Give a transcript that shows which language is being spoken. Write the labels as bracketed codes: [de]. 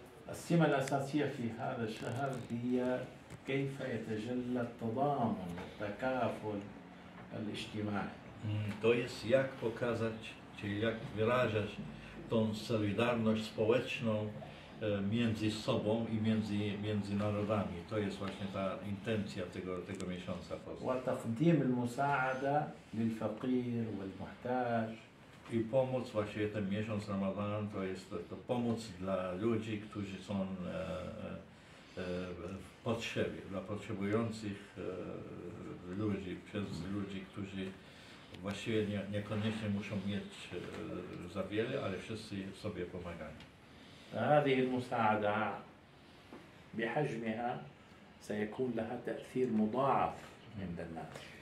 [ar] السمة الأساسية في هذا الشهر هي كيف يتجلى التضامن, التكافل الاجتماعي. [pl] To jest jak pokazać, czyli jak wyrażać tą solidarność społeczną między sobą i między narodami. To jest właśnie ta intencja tego miesiąca. I pomoc właśnie ten miesiąc Ramadan to jest to pomoc dla ludzi, którzy są w potrzebie, dla potrzebujących ludzi, przez ludzi, którzy właściwie niekoniecznie muszą mieć za wiele, ale wszyscy sobie pomagają. [ar] هذه المساعدة بحجمها سيكون لها تأثير مضاعف عند الناس.